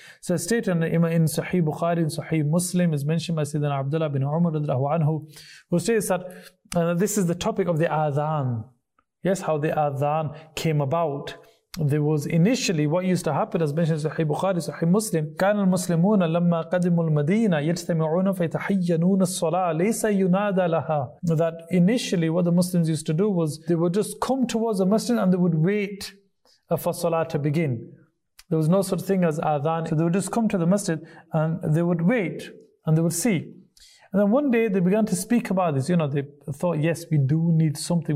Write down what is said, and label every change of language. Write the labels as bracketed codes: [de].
[en] So it's stated in Sahih Bukhari, in Sahih Muslim, is mentioned by Sayyidina Abdullah bin Umar radhiallahu anhu, who says that this is the topic of the adhan. Yes, how the adhan came about. There was initially what used to happen, as mentioned in Sahih Bukhari, Sahih Muslim. [ar] كان المسلمون لما قدموا المدينة يجتمعون فيتحينون الصلاة ليس ينادى لها. [en] That initially what the Muslims used to do was they would just come towards the masjid and they would wait for salah to begin. There was no such thing as adhan. So they would just come to the masjid and they would wait and they would see. And then one day they began to speak about this. You know, they thought, yes, we do need something.